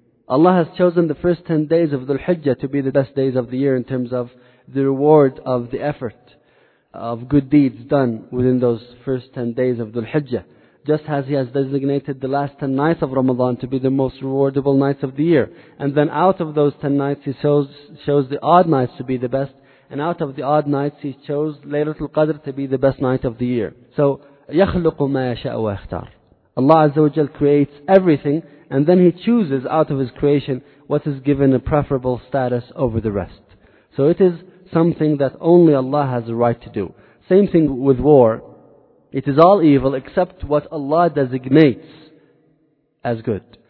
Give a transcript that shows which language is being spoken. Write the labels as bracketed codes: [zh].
[en] Allah has chosen the first 10 days of Dhul Hijjah to be the best days of the year in terms of the reward of the effort of good deeds done within those first 10 days of Dhul Hijjah, just as He has designated the last 10 nights of Ramadan to be the most rewardable nights of the year. And then out of those 10 nights, He chose the odd nights to be the best, and out of the odd nights, He chose Laylatul Qadr to be the best night of the year. [ar] So, يَخْلُقُ مَا يَشَاءُ وَيَخْتَارُ. [en] Allah Azza wa Jal creates everything, and then He chooses out of His creation what is given a preferable status over the rest. So it is something that only Allah has the right to do. Same thing with war. It is all evil except what Allah designates as good.